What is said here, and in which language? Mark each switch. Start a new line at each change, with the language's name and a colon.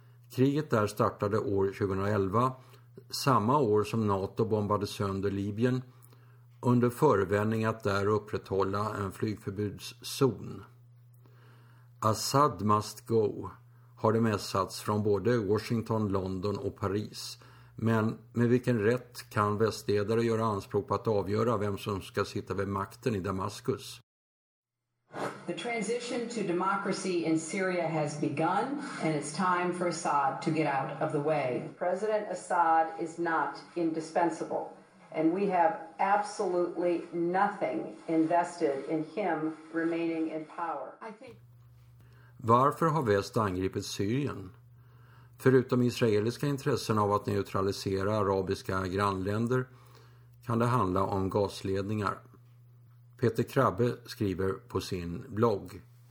Swedish: Kriget där startade år 2011, samma år som NATO bombade sönder Libyen under förevändning att där upprätthålla en flygförbudszon.
English: Assad must go
Swedish: har det mässats från både Washington, London och Paris. Men med vilken rätt kan västledare göra anspråk på att avgöra vem som ska sitta vid makten i Damaskus?
English: The transition to democracy in Syria has begun and it's time for Assad to get out of the way. President Assad is not indispensable and we have absolutely nothing invested in him remaining in power.
Swedish: Varför har väst angripit Syrien? Förutom israeliska intressen av att neutralisera arabiska grannländer kan det handla om gasledningar. Peter Krabbe skriver på sin blogg.